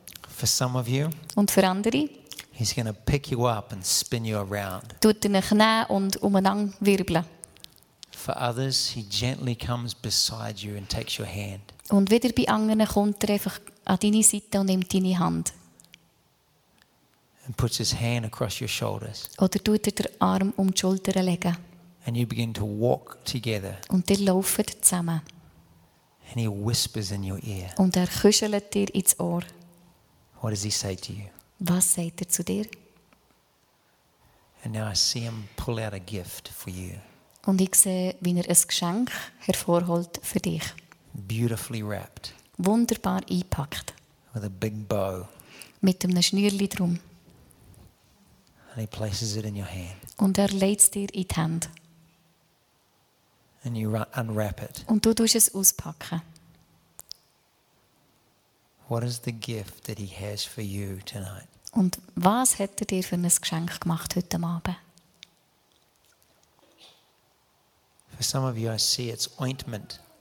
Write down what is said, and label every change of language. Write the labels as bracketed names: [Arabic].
[English] For some of you, [German] und für andere, [English] he's going to pick you up and spin you around. [German] Tut in euch nehmen und umeinander wirbeln. [English] For others, he gently comes beside you and takes your hand. [German] Und wieder bei anderen kommt er einfach an deine Seite und nimmt deine Hand. [English] And puts his hand across your shoulders. [German] Oder tut er den Arm die Schulter legen. [English] And you begin to walk together. [German] Und ihr lauft zusammen. [English] And he whispers in your ear. [German] Und er kuschelt dir ins Ohr. [English] What does he say to you? [German] Was sagt er zu dir? [English] And now I see him pull out a gift for you. [German] Und ich sehe, wie er ein Geschenk hervorholt für dich. [English] Beautifully wrapped. [German] Wunderbar eingepackt. [English] With a big bow. [German] Mit einem Schnürli drum. [English] And he places it in your hand. [German] Und er legt es dir in die Hand. [English] And you unwrap it. [German] Und du tust es auspacken. [English] What is the gift that he has for you tonight? [German] Und was hat er dir für ein Geschenk gemacht heute Abend? [English] For some of you, I see it's ointment.